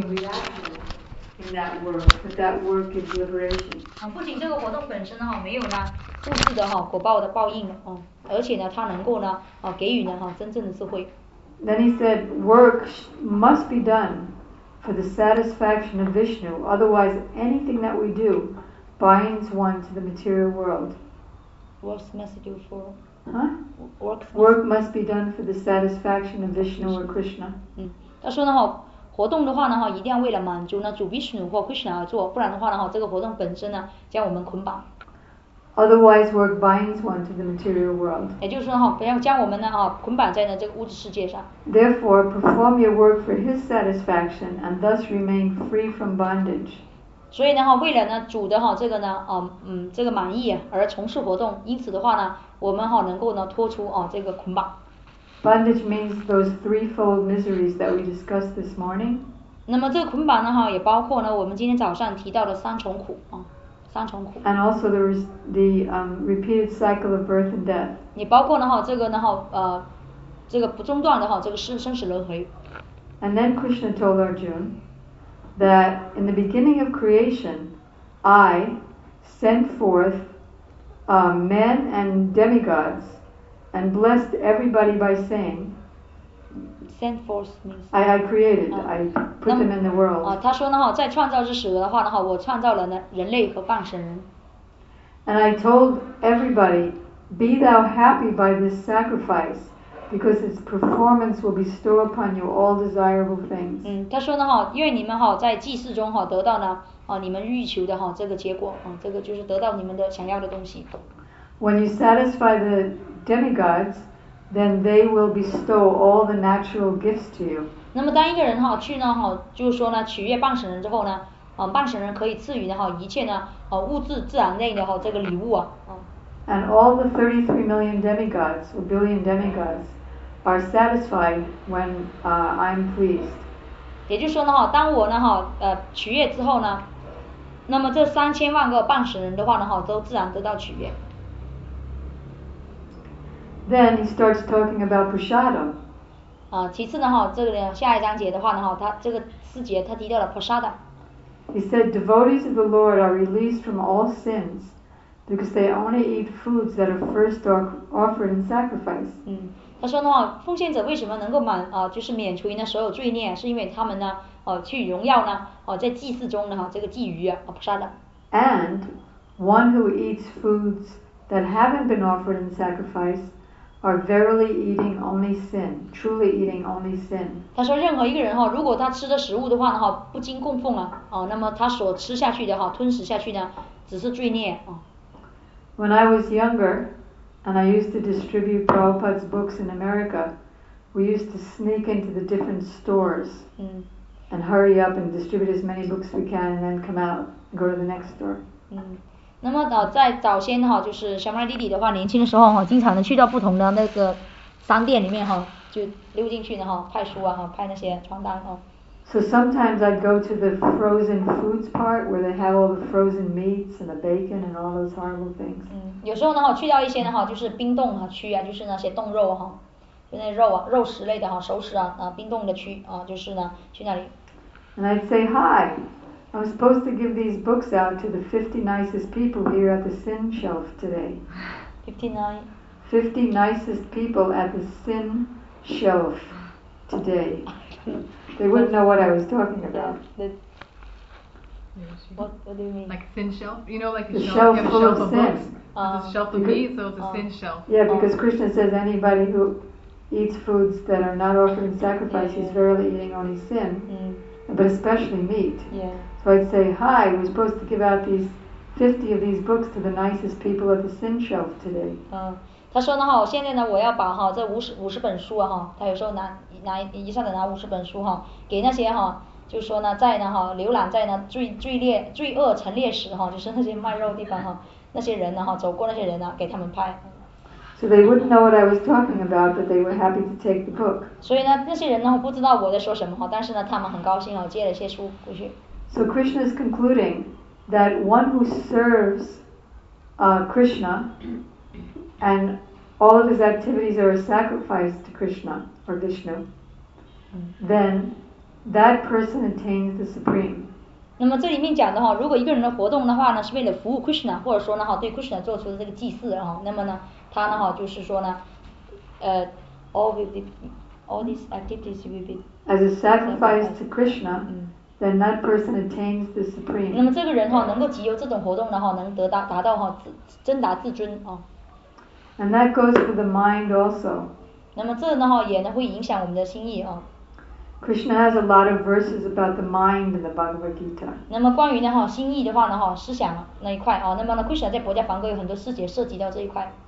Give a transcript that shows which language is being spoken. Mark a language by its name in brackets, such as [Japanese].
[English] In that work, but that work is liberation. [Chinese] 不仅这个活动本身哈没有呢物质的哈果报的报应啊，而且呢它能够呢啊给予呢哈真正的智慧。 [English] Then he said, work must be done for the satisfaction of Vishnu. Otherwise, anything that we do binds one to the material world. What's the message for? Huh? Work must be done for the satisfaction of Vishnu or Krishna. [Chinese] 他说呢活动的话呢一定要为了满足呢主 Vishnu 或 Krishna 而做，不然的话呢这个活动本身呢将我们捆绑。 [English] Otherwise, work binds one to the material world. [Chinese] 也就是说不要将我们呢捆绑在呢这个物质世界上。 [English] Therefore, perform your work for his satisfaction and thus remain free from bondage. [Chinese] 所以呢为了呢主的这个呢这个满意而从事活动，因此的话呢我们能够呢脱出这个捆绑。 [English] Bondage means those threefold miseries that we discussed this morning. [Chinese] 那么这个捆绑呢也包括呢我们今天早上提到的三重苦三重苦。 [English] And also the repeated cycle of birth and death. [Chinese] 也包括呢这个呢这个不中断的这个生死轮回。 [English] And then Krishna told Arjuna that in the beginning of creation, I sent forth men and demigods and blessed everybody by saying. Sent forth means. I created. I put them in the world. [Chinese] 他说呢在创造之时的话呢我创造了呢人类和放生人。 [English] And I told everybody, be thou happy by this sacrifice, because its performance will bestow upon you all desirable things. [Chinese] 他说呢愿你们在祭祀中得到呢你们欲求的这个结果这个就是得到你们的想要的东西。 [English] When you satisfy the demigods, then they will bestow all the natural gifts to you. [Chinese] 那么当一个人去呢就是说呢取悦半神人之后呢半神人可以赐予呢一切呢物质自然内的这个礼物啊。 [English] And all the 33 million demigods or billion demigods are satisfied when I'm pleased. [Chinese] 也就是说呢当我呢取悦之后呢那么这三千万个半神人的话呢都自然得到取悦。 [English] Then he starts talking about prasadam. [Chinese] 其次呢这个下一章节的话呢他这个四节他提到了 prasadam. [English] He said, devotees of the Lord are released from all sins because they only eat foods that are first offered in sacrifice. [Chinese] 他说呢奉献者为什么能够满就是免除呢所有罪孽，是因为他们呢去荣耀呢在祭祀中呢这个祭鱼啊 prasadam. [English] And one who eats foods that haven't been offered in sacrifice are verily eating only sin, truly eating only sin. [Chinese] 他说任何一个人如果他吃的食物的话不经供奉了那么他所吃下去的吞食下去呢只是罪孽。 [English] When I was younger, and I used to distribute Prabhupada's books in America, we used to sneak into the different stores and hurry up and distribute as many books as we can and then come out and go to the next store. [Chinese] 那么在早先就是香麦弟弟的话年轻的时候经常的去到不同的那个商店里面就溜进去的派书啊派那些传单啊。 [English] So sometimes I'd go to the frozen foods part where they have all the frozen meats and the bacon and all those horrible things. [Chinese] 有时候呢去到一些呢就是冰冻区啊就是那些冻肉就那肉肉食类的熟食冰冻的区就是呢去那里。 [English] And I'd say hi. I was supposed to give these books out to the 50 nicest people here at the sin shelf today. 50 nicest people at the sin shelf today. They wouldn't know what I was talking about. What do you mean? Like sin shelf? You know, like the shelf full of sin. It's a shelf of meat, so it's a sin shelf. Yeah, because Krishna says anybody who eats foods that are not offered in sacrifice is verily eating only sin, but especially meat. Yeah. So I'd say, hi, we're supposed to give out these 50 of these books to the nicest people at the sin shelf today. [Chinese] 他说呢现在呢我要把这50本书他有时候拿一下子拿50本书给那些就是说呢在呢浏览在呢罪恶陈列时就是那些卖肉地方那些人呢走过那些人呢给他们拍。 [English] So they wouldn't know what I was talking about, but they were happy to take the book. [Chinese] 所以呢那些人呢不知道我在说什么但是呢他们很高兴借了些书过去。 [English] So Krishna is concluding that one who serves Krishna and all of his activities are a sacrifice to Krishna or Vishnu, then that person attains the supreme. [Chinese] 那么这里面讲的哈，如果一个人的活动的话呢，是为了服务 Krishna， 或者说呢哈，对 Krishna 做出的这个祭祀，然后那么呢，他呢哈，就是说呢， [English] all these activities will be as a sacrifice to Krishna.、嗯Then that person attains the supreme. [Chinese] 那么这个人哈，能够藉由这种活动呢哈，能得到达到哈自真达自尊啊。 [English] And that goes for the mind also. [Chinese] 那么这呢哈，也呢会影响我们的心意啊。 [English] Krishna has a lot of verses about the mind in the Bhagavad Gita. [Chinese] 那么关于呢哈心意的话呢哈，思想那一块啊，那么呢 Krishna 在《薄伽梵歌》有很多细节涉及到这一块。